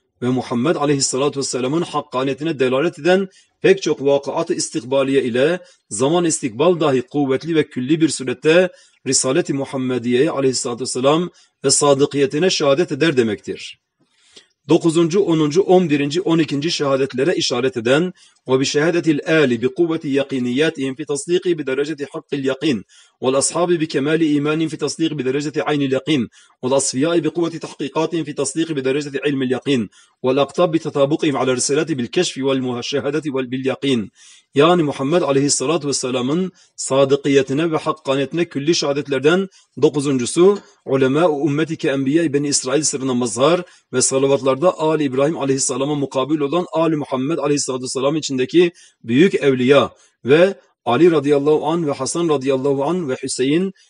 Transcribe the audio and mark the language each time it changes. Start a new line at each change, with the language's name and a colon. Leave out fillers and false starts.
Turkish: ve Muhammed aleyhissalatü vesselamın hakkaniyetine delalet eden pek çok vakıat-ı istikbaliye ile zaman istikbal dahi kuvvetli ve külli bir surette Risalet-i Muhammediye'ye aleyhissalatü vesselam ve sadıkiyetine şehadet eder demektir. 9. 10. 11. 12. şehadetlere işaret eden
Arabic: وَبِشَهَدَةِ الْاَلِ بِقُوَّةِ يَقِينِيَّتِهِمْ فِي تَصْدِيقِ بِدَرَجَةِ حَقِّ الْيَقِينِ وَالْأَصْحَابِ بِكَمَالِ اِيمَانِهِمْ فِي تَصْدِيقِ بِدَرَجَةِ عَيْنِ الْيَقِينِ وَالْأَصْفِيَاءِ بِقُوَّةِ تَحْقِيقَاتِهِمْ فِي تَصْدِيقِ بِدَرَجَةِ عِلْمِ الْيَقِينِ وَالْأَقْطَابِ بِتَطَابُقِهِمْ عَلَى الرِّسَالَةِ بِالْكَشْفِ وَالْمُشَاهَدَةِ وَبِالْيَقِينِ.
Turkish: Yani Muhammed aleyhissalatü vesselamın sadıkiyetine ve hakkaniyetine külli şehadetlerden 9.'sü ulema-i ümmetike enbiya-i beni İsrail sırrına mazhar ve salavatlarda Ali İbrahim aleyhisselama mukabil olan Ali Muhammed aleyhissalatü vesselam içindeki büyük evliya ve Ali radıyallahu anh ve Hasan radıyallahu anh ve Hüseyin